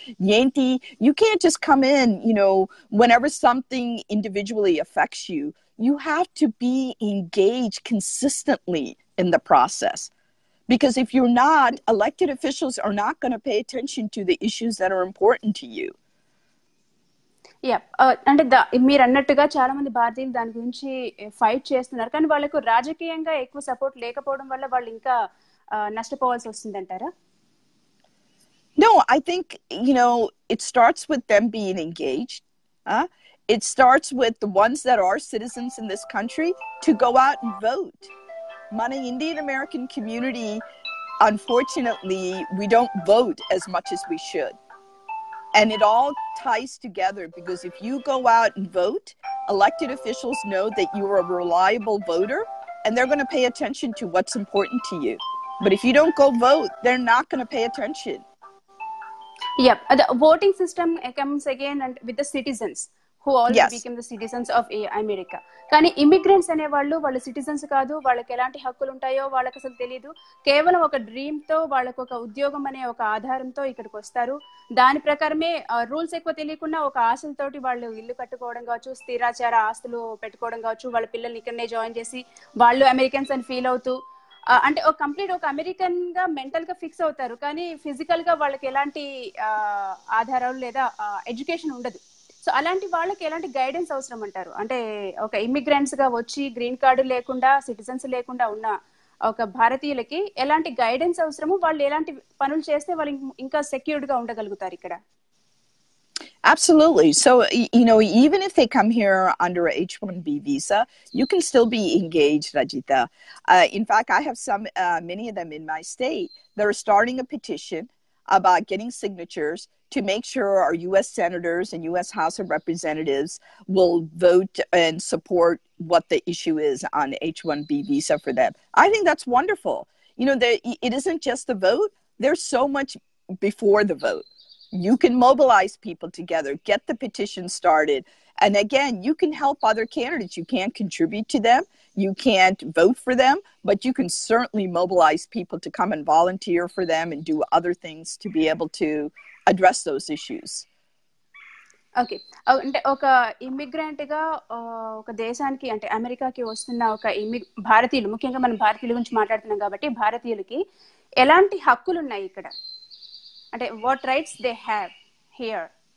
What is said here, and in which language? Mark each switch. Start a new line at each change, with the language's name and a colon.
English: Yanti, you can't just come in, you know, whenever something individually affects you. You have to be engaged consistently in the process. Because if you're not, elected officials are not going to pay attention to the issues that are important to you.
Telugu: అంటే మీరు అన్నట్టుగా చాలా మంది భారతీయులు దాని గురించి fight చేస్తున్నారు, కానీ వాళ్లకు రాజకీయంగా ఎక్కువ సపోర్ట్ లేకపోవడం వల్ల వాళ్ళు ఇంకా నష్టపోవాల్సి వస్తుంది అంటారా?
English: No, I think, you know, it starts with them being engaged. It starts with the ones that are citizens in this country to go out and vote. Mana Indian American community, unfortunately, we don't vote as much as we should. And it all ties together, because if you go out and vote, elected officials know that you are a reliable voter and they're going to pay attention to what's important to you. But if you don't go vote, they're not going to pay attention. Yep. The voting system comes again and with the citizens. Who all yes. became the citizens of America.
Telugu: కానీ immigrants అనేవాళ్ళు వాళ్ళు citizens కాదు, వాళ్ళకి ఎలాంటి హక్కులు ఉంటాయో వాళ్ళకి అసలు తెలియదు. కేవలం ఒక డ్రీమ్ తో, వాళ్ళకు ఒక ఉద్యోగం అనే ఒక ఆధారంతో ఇక్కడికి వస్తారు. దాని ప్రకారమే రూల్స్ ఎక్కువ తెలియకుండా ఒక ఆశలతోటి వాళ్ళు ఇల్లు కట్టుకోవడం కావచ్చు, స్థిరాచార ఆస్తులు పెట్టుకోవడం కావచ్చు, వాళ్ళ పిల్లల్ని ఇక్కడనే జాయిన్ చేసి వాళ్ళు అమెరికన్స్ అని ఫీల్ అవుతూ అంటే ఒక కంప్లీట్ ఒక అమెరికన్ గా మెంటల్ గా ఫిక్స్ అవుతారు. కానీ ఫిజికల్ గా వాళ్ళకి ఎలాంటి ఆధారాలు లేదా ఎడ్యుకేషన్ ఉండదు. సో అలాంటి వాళ్ళకి ఎలాంటి గైడెన్స్ అవసరం అంటారు? అంటే ఒక ఇమిగ్రెంట్స్ గా వచ్చి గ్రీన్ కార్డు లేకుండా సిటిజన్స్ లేకుండా ఉన్న ఒక భారతీయులకి ఎలాంటి గైడెన్స్ అవసరము? వాళ్ళు ఎలాంటి పనులు చేస్తే వాళ్ళు ఇంకా సెక్యూర్డ్ గా ఉండగలుగుతారు ఇక్కడ?
English: Absolutely. So, you know, even if they come here under a H-1B visa, you can still be engaged, Rajita. In fact, I have some, many of them in my state that are starting a petition about getting signatures to make sure our U.S. senators and U.S. House of Representatives will vote and support what the issue is on H-1B visa for them. I think that's wonderful. You know, it isn't just the vote. There's so much before the vote. You can mobilize people together, get the petition started. And again, you can help other candidates. You can't contribute to them. You can't vote for them, but you can certainly mobilize people to come and volunteer for them and do other things to be able to address those issues.
Telugu: Okay అంటే ఒక ఇమ్మిగ్రెంట్గా ఒక దేశానికి అంటే అమెరికాకి వస్తున్న ఒక భారతీయులు, ముఖ్యంగా మనం భారతీయుల గురించి మాట్లాడుతున్నాం కాబట్టి భారతీయులకి ఎలాంటి హక్కులు ఉన్నాయి ఇక్కడ, అంటే
English: what rights they have here